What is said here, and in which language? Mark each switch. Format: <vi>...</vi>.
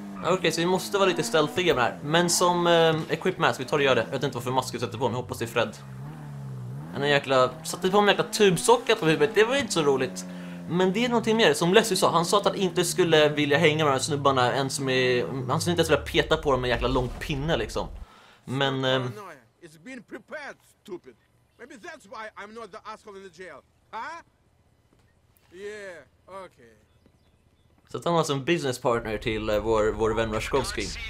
<sv>Okej, så vi måste vara lite stealthiga med det här. Men som equip mask, vi tar och gör det. Jag vet inte varför mask jag sätter på mig, hoppas det är Fred. En jäkla, satte på mig en jäkla tubsocka på huvudet, det var inte så roligt. Men det är någonting mer, som Leslie sa, han sa att han inte skulle vilja hänga med de här snubbarna. En som är, han skulle inte ens vilja peta på dem med en jäkla lång pinne liksom.</sv> <en>Men it's been prepared, stupid. Maybe that's why I'm not the asshole in the jail, huh? Yeah, okay.</en> <sv>Så att han har som business partner till vår vän Rashkovsky.</sv>